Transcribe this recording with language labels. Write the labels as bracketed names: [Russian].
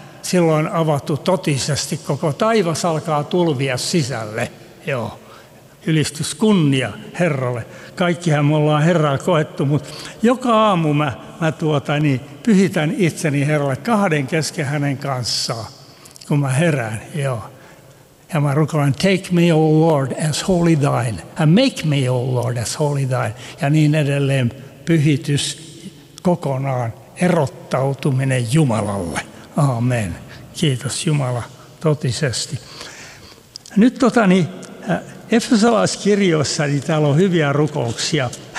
[Finnish] Silloin avattu totisesti koko taivas alkaa tulvia sisälle. Joo, ylistys kunnia Herralle. Kaikkihan me ollaan Herraa koettu, mutta joka aamu mä pyhitän itseni Herralle kahden kesken hänen kanssaan, kun mä herään. Joo. Ja mä rukoilen, [English] take me, O Lord, as holy thine, and make me, O Lord, as holy thine. [Finnish] Ja niin edelleen pyhitys kokonaan, erottautuminen Jumalalle. Aamen. Kiitos Jumala totisesti. Nyt Efesolaiskirjoissa niin täällä on hyviä rukouksia.